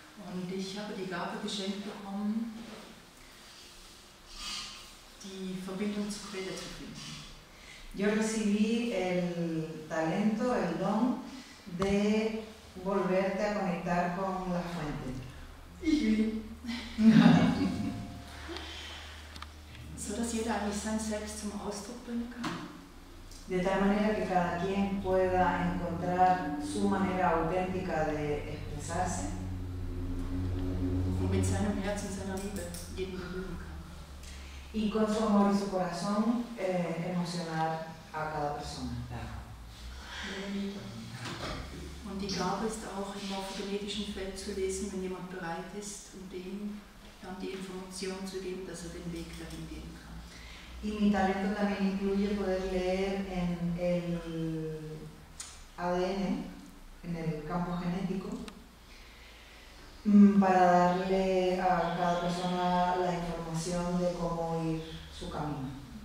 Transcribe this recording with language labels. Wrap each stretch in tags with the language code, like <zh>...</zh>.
<de>Und ich habe die Gabe geschenkt bekommen, die Verbindung zu Quelle zu finden.</de> <es>Yo recibí el talento, el don de volverte a conectar con la fuente.</es> <de>So dass jeder eigentlich sein Selbst zum Ausdruck bringen kann.</de> <es>De tal manera que cada quien pueda encontrar su manera auténtica de expresarse.</es> <de>Und mit seinem Herzen, seiner Liebe jeden berühren kann.</de> <es>Y con su amor y su corazón emocionar a cada persona.</es> <de>Und die Gabe ist auch im morphogenetischen Feld zu lesen, wenn jemand bereit ist, um dem dann die Information zu geben, dass er den Weg dahin gehen kann.</de> <es>Y mi talento también incluye poder leer en el ADN, en el campo genético, para darle a cada persona la información de cómo ir su camino.</es>